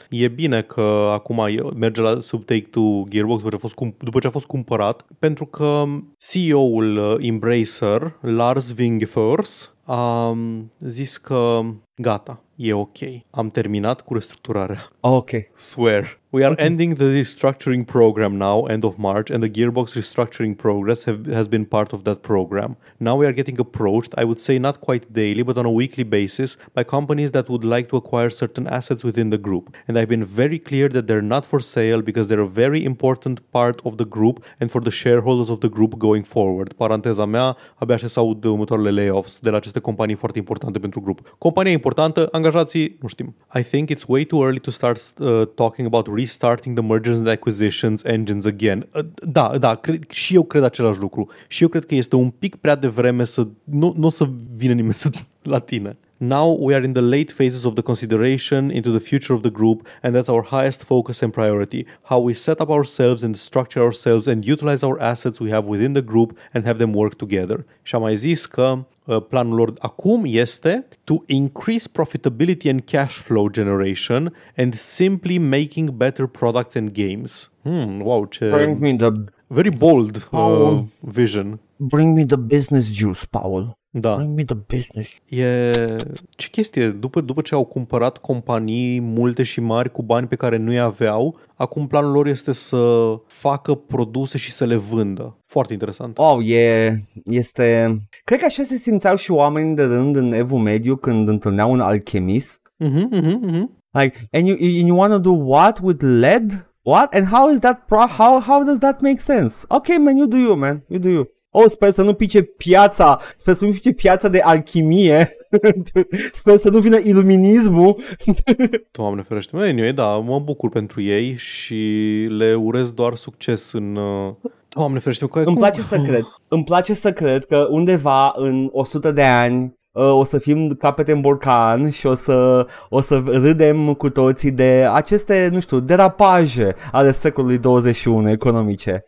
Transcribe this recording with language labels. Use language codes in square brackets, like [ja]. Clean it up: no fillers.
[ro] E bine că acum merge la sub Take-Two Gearbox după ce a fost cumpărat, pentru că CEO-ul Embracer, Lars Wingefors, a zis că gata, e ok, am terminat cu restructurarea. Ok. [en] Swear. We are ending the restructuring program now, end of March, and the Gearbox restructuring progress has been part of that program. Now we are getting approached, I would say not quite daily, but on a weekly basis, by companies that would like to acquire certain assets within the group. And I've been very clear that they're not for sale because they're a very important part of the group and for the shareholders of the group going forward. [ro] Paranteza mea, abia aștept să aud următoarele layoffs de la aceste companii foarte importante pentru grup. Compania importantă, angajații, nu știm. [en] I think it's way too early to start talking about restarting the mergers and acquisitions engines again. [ro] Și eu cred același lucru. Și eu cred că este un pic prea devreme să... Nu o să vină nimeni la tine. [en] Now we are in the late phases of the consideration into the future of the group, and that's our highest focus and priority. How we set up ourselves and structure ourselves and utilize our assets we have within the group and have them work together. [ro] Și am mai zis că planul lor acum este [en] to increase profitability and cash flow generation and simply making better products and games. [ro] Wow, ce... [en] Bring me the... Very bold vision. Bring me the business juice, Paul. [ro] Da. [en] Bring me the business. [ro] E... Ce chestie? După ce au cumpărat companii multe și mari cu bani pe care nu i aveau, acum planul lor este să facă produse și să le vândă. Foarte interesant. Wow, este... Cred că așa se simțeau și oamenii de rând în Evul Mediu când întâlneau un alchemist. [en] Like, and you want to do what with lead? What? And how is that how does that make sense? Okay, man, you do you, man. You do you. [ro] Oh, sper să nu pice piața. Sper să nu pice piața de alchimie. Sper să nu vină iluminismul. Doamne ferește. Anyway, da, mă bucur pentru ei și le urez doar succes în... Doamne ferește. Îmi place să cred că undeva în 100 de ani o să fim capete în borcan și o să râdem cu toții de aceste, nu știu, derapaje ale secolului 21 economice.